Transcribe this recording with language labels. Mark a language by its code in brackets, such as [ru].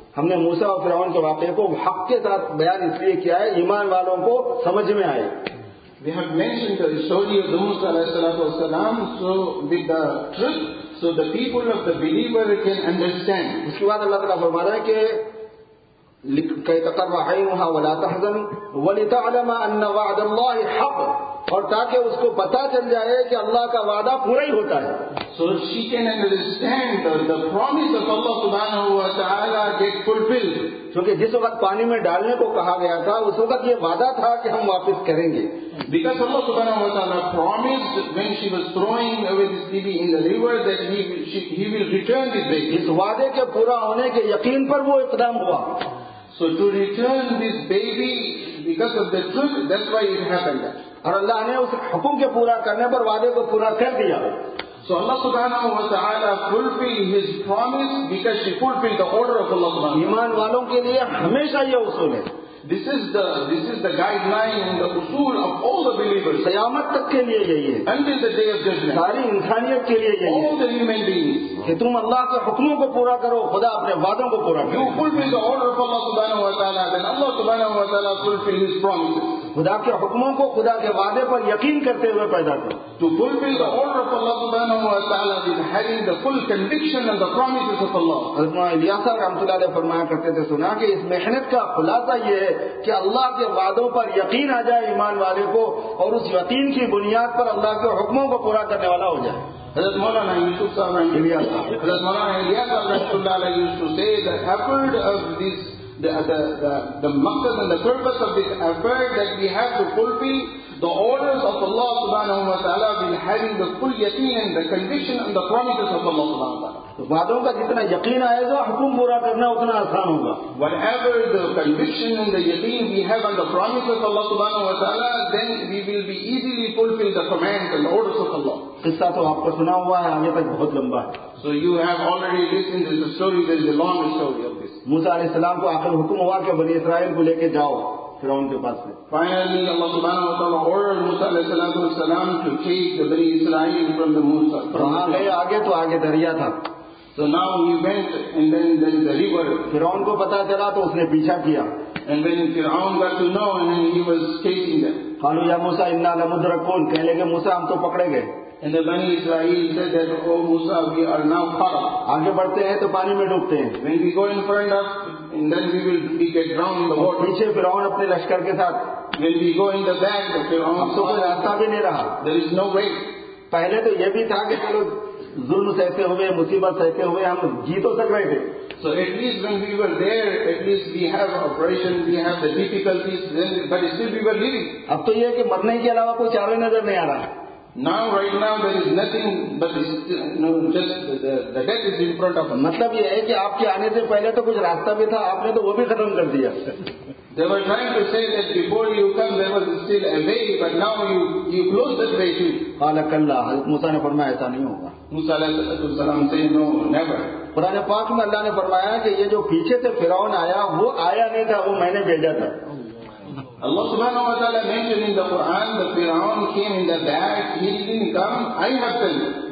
[ur] ہم نے موسیٰ اور فرعون کے واقعے کو حق کے ساتھ بیان اس لیے کیا ہے ایمان والوں کو سمجھ میں آئے. [en] We have mentioned the story of Musa alayhi salam, so with the truth, so the people of the believer can understand. [ur] اس کے بعد اللہ تعالیٰ فرما رہا ہے کہ [ar] كَيْ تَقَرَّ عَيْنُهَا وَلَا تَحْزَنُ وَلِتَعْلَمَ أَنَّ وَعْدَ اللَّهِ حَقٌّ. [ur] اور تاکہ اس کو پتا چل جائے کہ اللہ کا وعدہ پورا ہی ہوتا ہے. [en] So she can understand the promise of Allah subhanahu wa ta'ala gets fulfilled. [ur] کیونکہ جس وقت پانی میں ڈالنے کو کہا گیا تھا اس وقت یہ وعدہ تھا کہ ہم واپس کریں گے. [en] Because Allah subhanahu wa ta'ala promised when she was throwing away this baby in the river that he will return this baby. [ur] اس وعدے کے پورا ہونے کے یقین پر وہ اقدام ہوا. [en] So to return this baby because of the truth, that's why it happened. [ur] اور اللہ نے اس حکم کے پورا کرنے پر وعدے کو پورا کر دیا. [en] So Allah subhanahu wa ta'ala fulfilled his promise because she fulfilled the order of Allah subhanahu wa ta'ala. [ur] ایمان والوں کے لیے ہمیشہ یہ اصول ہے. [en] This is the guideline and the usul of all the believers. [ur] قیامت تک کے لیے یہی ہے. [en] Until the day of judgment. [ur] ساری انسانیت کے لیے یہی ہے. [en] All the human beings. [ur] کہ تم اللہ کے حکموں کو پورا کرو, خدا اپنے وعدوں کو پورا کرو. [en] You fulfill the order of Allah subhanahu wa ta'ala, then Allah subhanahu wa ta'ala fulfill his promises. [ur] خدا کے حکموں کو خدا کے وعدے پر یقین کرتے ہوئے پیدا کرو. [en] To fulfill the order of Allah subhanahu wa ta'ala with having the full conviction and the promises of Allah. [ur] حضرت مولانا الیاس صاحب رحمۃ اللہ علیہ فرمایا کرتے تھے, سنا کہ اس محنت کا خلاصہ یہ ہے کہ اللہ کے وعدوں پر یقین آ جائے ایمان والے کو, اور اس یقین کی بنیاد پر اللہ کے حکموں کو پورا کرنے والا ہو جائے. [en] حضرت مولانا یوسف صاحب رحمۃ اللہ علیہ, حضرت مولانا الیاس صاحب رحمۃ اللہ علیہ used to say the effort of this, the maqsad and the purpose of this effort that we have to fulfill the orders of Allah subhanahu wa ta'ala in having the full yaqeen and the conviction and the promises of Allah subhanahu wa ta'ala. [ur] وعدوں کا جتنا یقین آئے گا حکم پورا کرنا اتنا آسان ہوگا. [en] Whatever the conviction and the yaqeen we have on the promises of Allah subhanahu wa ta'ala, then we will be easily fulfill the commands and orders of Allah. [ur] قصہ تو آپ کو سنا ہوا ہے, آگے تک بہت لمبا ہے. [en] So you have already listened to the story, there is a long story of this. [ur] موسیٰ علیہ السلام کو آخر حکم ہوا کہ بنی اسرائیل کو لے کے جاؤ فرعون کے پاس. [en] Finally Allah subhanahu wa ta'ala ordered Musa alayhi salatu wa salam to take the Bani Israel from the Musa. [ur] وہاں گئے آگے تو آگے دریا تھا. [en] So now he went and then there is a river. [ur] فرعون کو پتا چلا تو اس نے پیچھا کیا. [en] And when Fir'aun got to know and then he was chasing them. [ar] قالوا يا موسى إنا لمدركون [ur] کہنے لگے موسى ہم تو پکڑیں گے. [en] And the Bani Israel said that, oh Musa, we are now caught. [ur] آگے بڑھتے ہیں تو پانی میں ڈوبتے ہیں. [en] When we go in front of, and then we get drowned in the water. [ur] پیچھے فرعون اپنے لشکر کے ساتھ. [en] When we go in the back, Fir'aun. [ur] اب تو کوئی راستہ بھی نہیں رہا. [en] There is no way. [ur] پہلے تو یہ بھی تھا کہ چلو ظلم سہتے ہوئے مصیبت سہتے ہوئے ہم جی تو سک رہے تھے. [en] So at least when we were there, at least we have operation, we have the difficulties, then, but still we were living. [ur] اب تو یہ کہ مرنے کے علاوہ کوئی چارہ نظر نہیں آ رہا. [en] Now, right now, there is nothing but just the death is in front of us. [ur] مطلب یہ ہے کہ آپ کے آنے سے پہلے تو کچھ راستہ بھی تھا, آپ نے تو وہ بھی ختم کر دیا. [en] They were trying to say that before you come there was still a way, but now you close that way too. [ar] قال كلا, [ur] موسیٰ نے فرمایا ایسا نہیں ہوگا. موسیٰ علیہ السلام سے نو, never. قرآن پاک میں اللہ نے فرمایا کہ یہ جو پیچھے سے فرعون آیا وہ آیا نہیں تھا, وہ میں نے بھیجا تھا. [en] Allah subhanahu wa ta'ala mentioned in the Quran that Fir'aun came in the back, he didn't come, I have sent him.